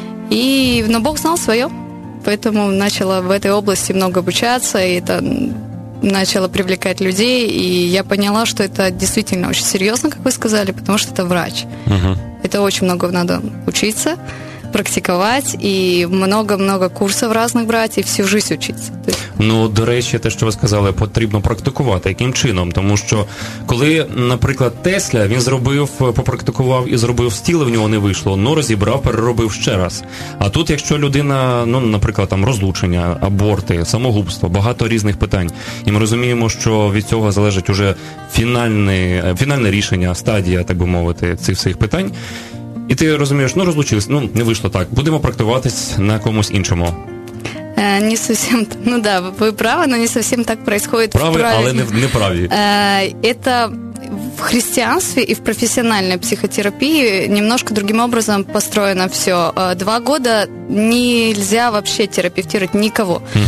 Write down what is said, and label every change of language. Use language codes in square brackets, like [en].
[ru] Но Бог знал свое, поэтому начала в этой области много обучаться, и это начало привлекать людей, и я поняла, что это действительно очень серьезно, как вы сказали, потому что это врач. Uh-huh. Это очень много надо учиться, практиковать, и много-много курсов разных брать, и всю жизнь учиться. [uk] Ну, до речі, те, що ви сказали, потрібно практикувати. Яким чином? Тому що, коли, наприклад, Тесля, він зробив, попрактикував і зробив стіл, в нього не вийшло, ну, розібрав, переробив ще раз. А тут, якщо людина, ну, наприклад, там, розлучення, аборти, самогубство, багато різних питань, і ми розуміємо, що від цього залежить уже фінальне рішення, стадія, так би мовити, цих всіх питань, І ти розумієш, ну розлучились, ну не вийшло так. Будемо практикуватись на комусь іншому. [ru] Не совсем, ну да, вы правы, но не совсем так происходит. [uk] Правы, але не правы. [ru] Это в христианстве и в профессиональной психотерапии немножко другим образом построено все. Два года нельзя вообще терапевтировать никого.